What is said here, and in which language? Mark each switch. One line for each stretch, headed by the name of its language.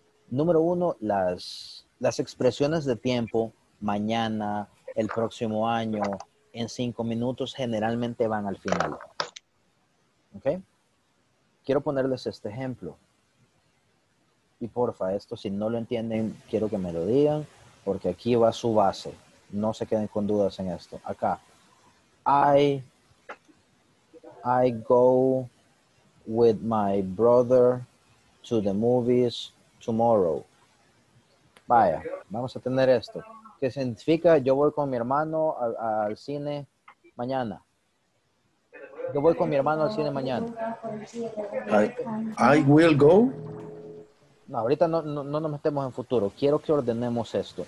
Spanish: Número uno, las expresiones de tiempo, mañana, el próximo año, en 5 minutos, generalmente van al final. ¿Ok? Quiero ponerles este ejemplo. Y porfa, esto si no lo entienden, quiero que me lo digan, porque aquí va su base. No se queden con dudas en esto. Acá.
English: I go with my brother to the movies tomorrow.
Spanish: Vaya, vamos a tener esto. ¿Qué significa? Yo voy con mi hermano al cine mañana. Yo voy con mi hermano al cine mañana.
English: I will go.
Spanish: No, ahorita no nos metemos en futuro. Quiero que ordenemos esto.